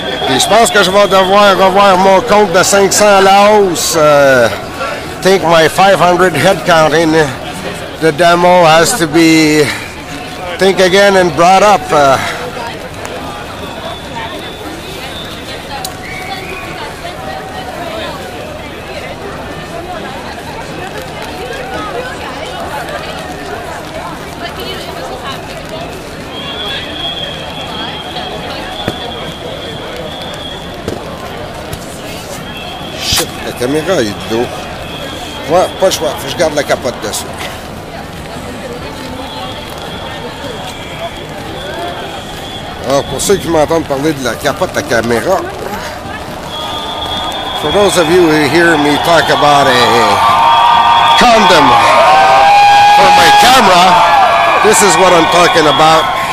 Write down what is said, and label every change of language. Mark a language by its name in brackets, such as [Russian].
[French] Et je pense que je vais devoir revoir mon compte de 500 à la hausse. [English] Think my 500 headcount in the demo has to be think again and brought up. [French] La caméra est de dos. Ouais, pas le choix, faut que je garde la capote dessus. Alors, pour ceux qui m'entendent parler de la capote, la caméra. [English] For those of you who hear me talk about a condom for my camera, this is what I'm talking about.